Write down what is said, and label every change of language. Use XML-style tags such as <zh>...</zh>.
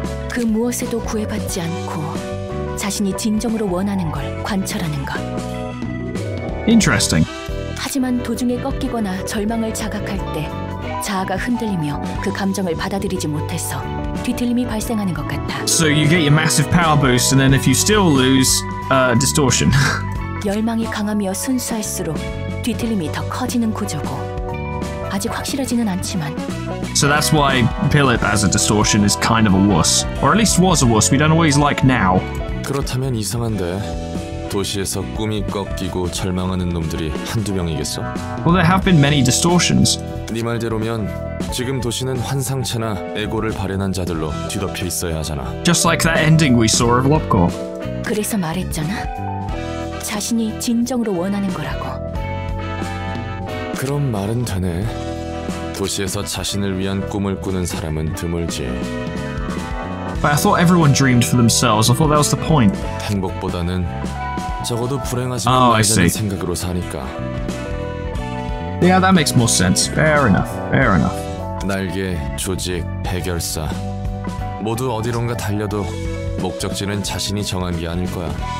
<ko>그 무엇에도 구애받지 않고 자신이 진정으로 원하는 걸 관철하는 것.</ko> <en>Interesting.</en> <ko>하지만 도중에 꺾이거나 절망을 자각할 때 자아가 흔들리며 그 감정을 받아들이지 못해서 뒤틀림이 발생하는 것 같아.</ko> <en>So you get your massive power boost and then if you still lose, distortion.</en> <ko>열망이 강하며 순수할수록 뒤틀림이 더 커지는 구조고 아직 확실하지는 않지만.</ko> <en>So that's why Pilip as a distortion is kind of a wuss. Or at least was a wuss, we don't always like now.</en> <ko>그렇다면 이상한데, 도시에서 꿈이 꺾이고 절망하는 놈들이 한두 명이겠어?</ko> <en>Well, there have been many distortions.</en> <ko>네 말대로면 지금 도시는 환상체나 에고를 발현한 자들로 뒤덮여 있어야 하잖아.</ko> <en>Just like that ending we saw of Lopko.</en> <ko>그래서 말했잖아. 자신이 진정으로 원하는 거라고. 그럼 말은 되네. 도시에서 자신을 위한 꿈을 꾸는 사람은 드물지.</ko> <en>But I thought everyone dreamed for themselves. I thought that was the point.</en> <ko>행복보다는 적어도 불행하지만 말자는 생각으로 사니까.</ko> <en>Yeah, that makes more sense. Fair enough. Fair enough.</en> <ko>날개, 조직, 배결사 모두 어디론가 달려도 목적지는 자신이 정한 게 아닐 거야.</ko>